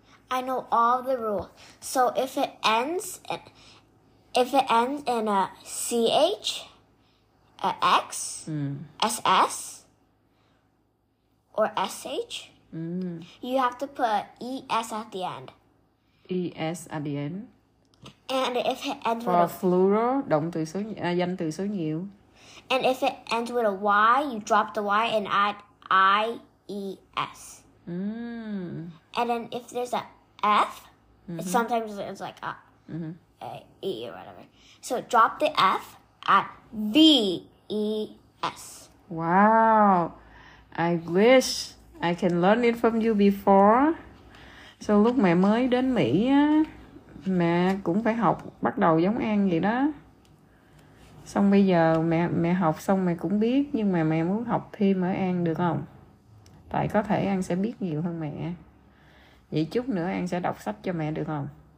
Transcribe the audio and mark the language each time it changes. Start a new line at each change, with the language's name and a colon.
English: I know all the rules. So if it ends in, if it ends in a CH, a X, SS, or SH, you have to put ES at the end. ES at the end. And if it ends for with a
Vietnamese: plural, động từ số, danh từ số nhiều.
English: And if it ends with a Y, you drop the Y and add IES. And then if there's a F, Mm-hmm. Sometimes it's like a, mm-hmm. a, E or whatever. So drop the F at V E S. Wow. I wish I can learn it from you before.
Vietnamese: So lúc mẹ mới đến Mỹ á, mẹ cũng phải học bắt đầu giống An vậy đó. Xong bây giờ mẹ học xong mẹ cũng biết, nhưng mà mẹ muốn học thêm ở An được không? Tại có thể An sẽ biết nhiều hơn mẹ. Vậy chút nữa An sẽ đọc sách cho mẹ được không?